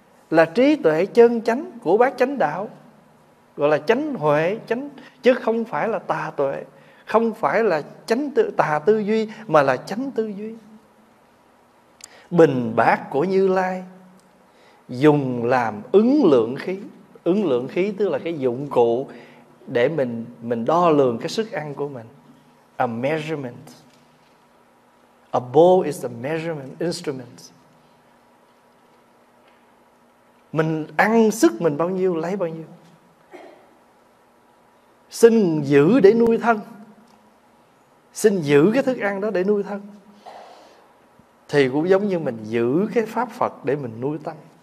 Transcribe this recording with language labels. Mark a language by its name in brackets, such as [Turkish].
[Vietnamese] Là trí tuệ chân chánh của bát chánh đạo, gọi là chánh huệ, chánh chứ không phải là tà tuệ, không phải là chánh tư, tà tư duy, mà là chánh tư duy. Bình bát của Như Lai dùng làm ứng lượng khí. Ứng lượng khí tức là cái dụng cụ để mình đo lường cái sức ăn của mình. [English] A measurement. A bowl is a measurement instrument. [Vietnamese] Mình ăn sức mình bao nhiêu, lấy bao nhiêu. Xin giữ để nuôi thân. Xin giữ cái thức ăn đó để nuôi thân. Thì cũng giống như mình giữ cái pháp Phật để mình nuôi tâm.